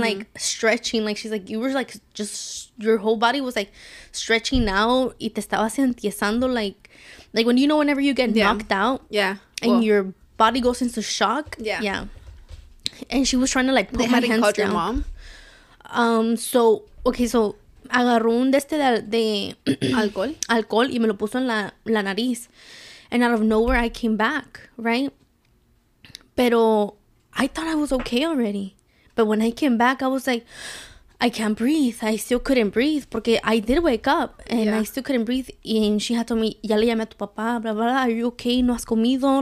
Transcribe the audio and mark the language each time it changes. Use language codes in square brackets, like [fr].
[en] like, stretching. Like, she's like, you were, like, just, your whole body was, like, stretching out. [es] Y te estabas entiesando, [en] like, when you get knocked out. Yeah. And your body goes into shock. Yeah. Yeah. And she was trying to, like, put my hands down. They hadn't called your mom? [es] So, okay, so, agarró un de este de alcohol. Alcohol, y me lo puso en la nariz. [en] And out of nowhere, I came back, right? Pero I thought I was okay already. But when I came back, I was like, I can't breathe. I still couldn't breathe. Porque I did wake up. And yeah. I still couldn't breathe. And she had told me, [es] ya le llamé a tu papá, [en] blah, blah, blah. Are you okay? [es] No has comido.